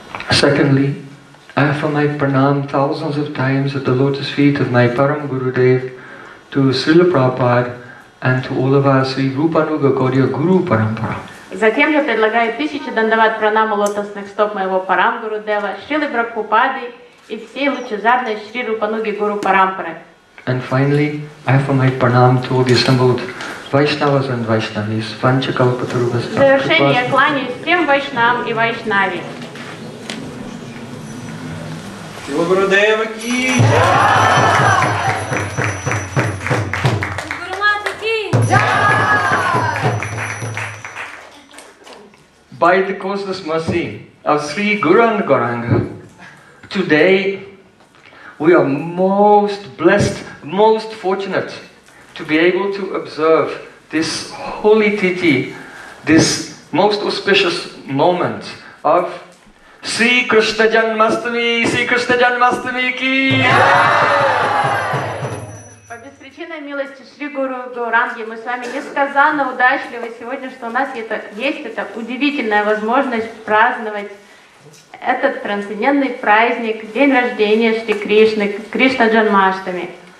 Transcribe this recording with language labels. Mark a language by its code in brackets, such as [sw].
[en] Secondly, I offer my pranam thousands of times at the lotus feet of my Param Gurudev, to Srila Prabhupada and to all of our Sri Rupanuga Gaudiya Guru Parampara. [ru] Затем я предлагаю тысячи дандават пранам лотосных стоп моего Парам Гурудева, Шрилы Прабхупады и всей лучезарной Шри Рупануги Гуру Парампары. [en] And finally, I offer my pranam to all the assembled Vaishnavas and Vaishnavis, Panchakalpatarubhas. [ru] В завершение я кланяюсь всем Вайшнам и Вайшнави. [hi] Гурудева ки! Гуру [en] by the causeless mercy of Sri Guru and Gauranga, today we are most blessed, most fortunate to be able to observe this holy Tithi, this most auspicious moment of Sri Krishna Janmashtami, Sri Krishna Janmashtami ki! [ru] По беспричинной милости Шри Гуру Гауранги мы с вами несказанно удачливы сегодня, что у нас есть эта удивительная возможность праздновать этот трансцендентный праздник, день рождения Шри Кришны, Кришна Джанмаштами.